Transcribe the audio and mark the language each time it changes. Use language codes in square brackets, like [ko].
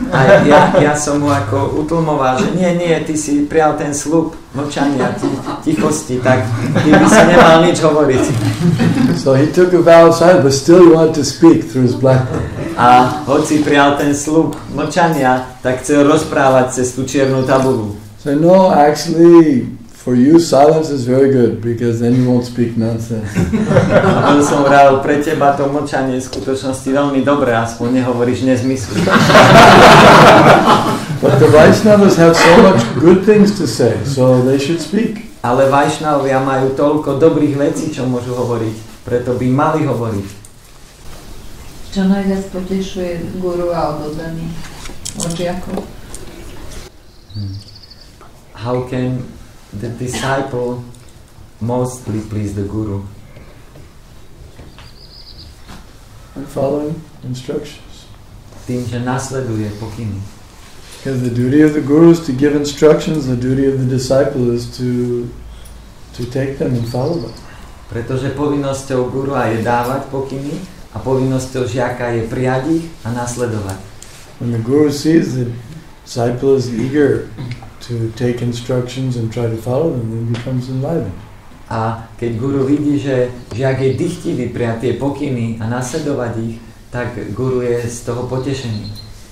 [sk] A ja som mu ako utlmoval, že nie, ty si prijal ten sľub mlčania, tichosti, tak ty by si nemal nič hovoriť. [en] So he took a vow of silence, but still he wanted to speak through his blackboard. [sk] A hoci prijal ten sľub mlčania, tak chcel rozprávať cez tú čiernu tabulu. [en] So no, actually, for you, silence is very good because then you won't speak nonsense. [sk] On som hovoril, pre teba to mlčanie je v skutočnosti veľmi dobré, aspoň nehovoríš nezmysl. [en] But the Vaishnavas have so much good things to say, so they should speak. [sk] Ale Vaishnavovia majú toľko dobrých vecí, čo môžu hovoriť, preto by mali hovoriť. Čo najviac potešuje guru a odozdaných od žiakov? [en] How can the disciple mostly please the guru? By following instructions. [sk] Tým, že nasleduje pokyny. [en] Because the duty of the guru is to give instructions, the duty of the disciple is to take them and follow them. [sk] Pretože povinnosťou gurua je dávať pokyny a povinnosťou žiaka je prijať ich a nasledovať. [en] When the guru sees the disciple is eager to take instructions and try to follow them, then becomes enlightened. [sk] A keď guru vidí, že žiak je dychtivý prijať tie pokyny a nasledovať ich, tak guru je z toho potešený.